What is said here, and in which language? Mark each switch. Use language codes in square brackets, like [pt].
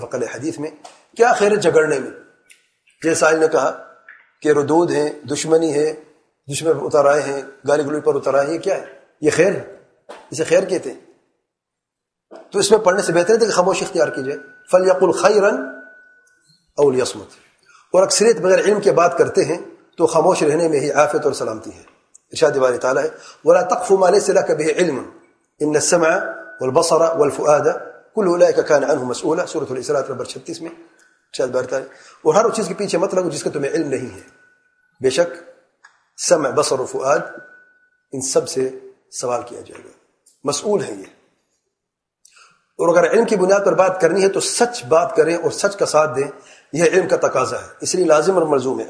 [ur] متفق علیہ حدیث میں کیا خیر جھگڑنے میں, جیسا علی نے کہا کہ ردود ہیں, دشمنی ہے, دشمن اتر آئے ہیں, گالی گلوئی پر اتر آئے ہیں, یہ کیا ہے, یہ خیر ہے, اسے خیر کہتے ہیں, تو اس میں پڑھنے سے بہتر ہے کہ خاموشی اختیار کیجئے. [ar] فلیقل خیرا او لیصمت, [ur] اور اکثریت بغیر علم کے بات کرتے ہیں تو خاموش رہنے میں ہی عافیت اور سلامتی ہے. ارشاد باری تعالیٰ ہے, [ar] ولا تقف ما ليس لك به علم ان السمع والبصر والفؤاد كل اولئك كان عنه مسؤولا, [ur] سورۃ الاسراء نمبر 36 میں ارشاد باری تعالیٰ. اور ہر چیز کے پیچھے مت لگو جس کا تمہیں علم نہیں ہے, بے شک سمع بصر و فؤاد ان سب سے سوال کیا جائے گا, مسئول ہیں یہ. اور اگر علم کی بنیاد پر بات کرنی ہے تو سچ بات کریں اور سچ کا ساتھ دیں, یہ علم کا تقاضا ہے, اس لیے لازم اور ملزوم ہے.